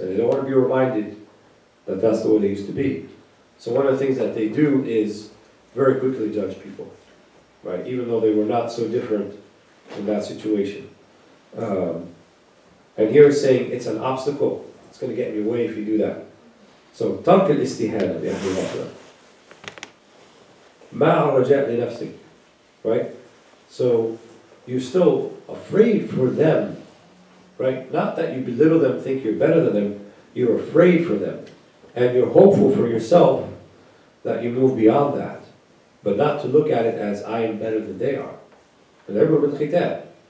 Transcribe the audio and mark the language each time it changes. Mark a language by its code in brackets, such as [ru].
[en] And they don't want to be reminded that that's the way they used to be. So one of the things that they do is very quickly judge people, right? Even though they were not so different in that situation. And here it's saying it's an obstacle. It's going to get in your way if you do that. [ar] So, ترك الاستهانة بأهل الأخرى مع الرجاء لنفسك, right? [en] So, you're still afraid for them, right? Not that you belittle them, think you're better than them. You're afraid for them. And you're hopeful for yourself that you move beyond that. But not to look at it as, I am better than they are. And everyone with khitab.